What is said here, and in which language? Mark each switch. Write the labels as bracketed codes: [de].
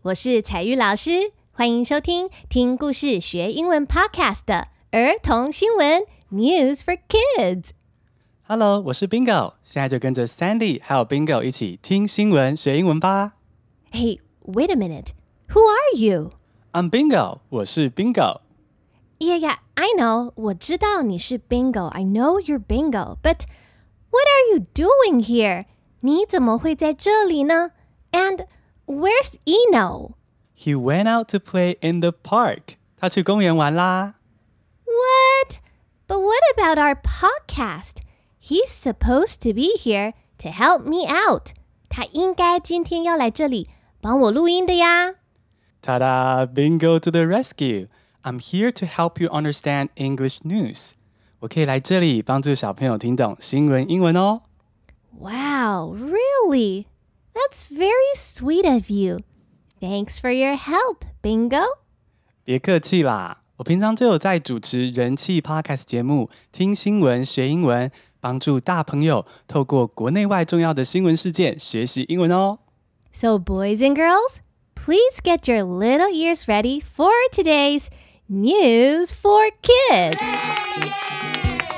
[zh] 我是彩玉老师，欢迎收听听故事学英文 Podcast 的儿童新闻 News for Kids。 Hello， 我是 Bingo， 现在就跟着 Sandy 还有 Bingo 一起听新闻学英文吧。 [en] Hey， wait a minute， who are you？ I'm Bingo， [zh] 我是 [en] Bingo。 Yeah， yeah， I know， [zh] 我知道你是 [en] Bingo， I know you're Bingo， but what are you doing here？ [zh] 你怎么会在这里呢？ [en] And where's Eno？ He went out to play in the park， [zh] 他去公园玩啦。 [en] What？ But what about our podcast？ He's supposed to be here to help me out. [zh] 他应该今天要来这里帮我录音的呀。 [en] Ta-da! Bingo to the rescue! I'm here to help you understand English news. [zh] 我可以来这里帮助小朋友听懂新闻英文哦。 [en] Wow, really? That's very sweet of you. Thanks for your help, Bingo. [zh] 别客气啦。我平常就有在主持人气 podcast 节目《听新闻学英文》，帮助大朋友透过国内外重要的新闻事件学习英文哦。 [en] So boys and girls, please get your little ears ready for today's news for kids. Yay!